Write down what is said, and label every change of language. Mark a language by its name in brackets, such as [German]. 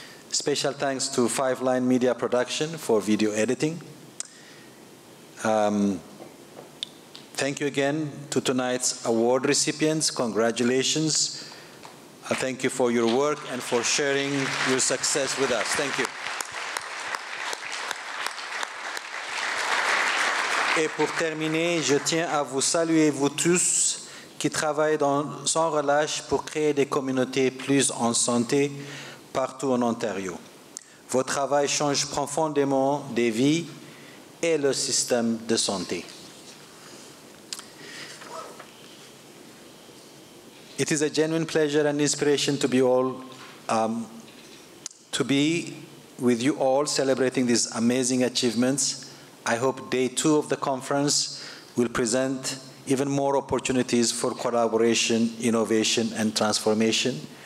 [English] Special thanks to Five Line Media Production for video editing. Thank you again to tonight's award recipients. Congratulations. Thank you for your work and for sharing your success with us. Thank you. [French] Et pour terminer, je tiens à vous saluer, vous tous, qui travaillez sans relâche pour créer des communautés plus en santé partout en Ontario. Votre travail change profondément des vies et le système de santé. [English] It is a genuine pleasure and inspiration to be with you all celebrating these amazing achievements. I hope day two of the conference will present even more opportunities for collaboration, innovation, and transformation.